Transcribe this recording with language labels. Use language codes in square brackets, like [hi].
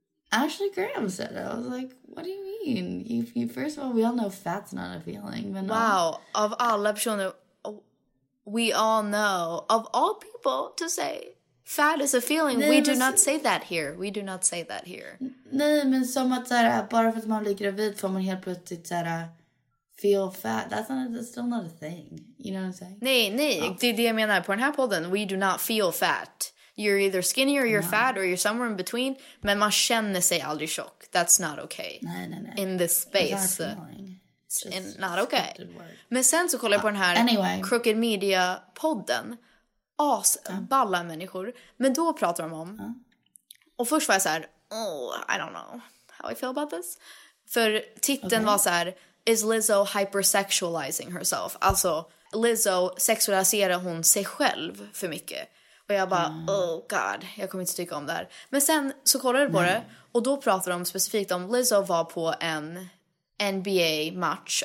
[en] Ashley Graham said it. I was like, what do you mean? You, first of all, we all know fat's not a feeling. But wow, of alla personer, we all know, of all people to say fat is a feeling. [sv] Nej, [en] We do not say that here. [sv] Nej, men som att såhär, bara för att man blir gravid får man helt plötsligt såhär, [en] feel fat. That's still not a thing. You know what I'm saying? [sv] Nej, det är det jag menar. På den här podden, [en] we do not feel fat. You're either skinny or you're fat or you're somewhere in between. [sv] Men man känner sig aldrig tjock. [en] That's not okay. [sv] Nej. [en] In this space. Exactly. Not okay. [sv] Men sen så kollar jag på den här Crooked Media-podden. Balla människor. Men då pratar de om... Och först var jag så här... [en] Oh, I don't know how I feel about this. [sv] För titeln var så här... [en] Is Lizzo hypersexualizing herself? [sv] Alltså, Lizzo sexualiserar hon sig själv för mycket. Och jag bara, [en] oh god, [sv] jag kommer inte tycka om det här. Men sen så kollade jag på det. Och då pratade de specifikt om Lizzo var på en NBA-match.